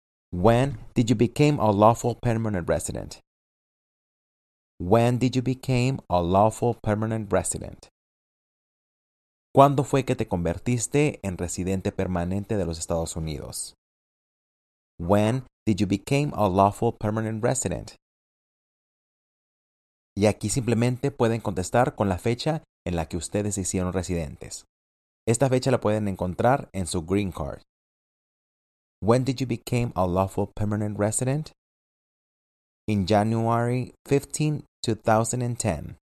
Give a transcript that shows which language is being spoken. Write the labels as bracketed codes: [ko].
[en] When did you become a lawful permanent resident? When did you become a lawful permanent resident? [es] ¿Cuándo fue que te convertiste en residente permanente de los Estados Unidos? [en] When did you become a lawful permanent resident? [es] Y aquí simplemente pueden contestar con la fecha en la que ustedes se hicieron residentes. Esta fecha la pueden encontrar en su green card. [en] When did you become a lawful permanent resident? In January 15, 2010.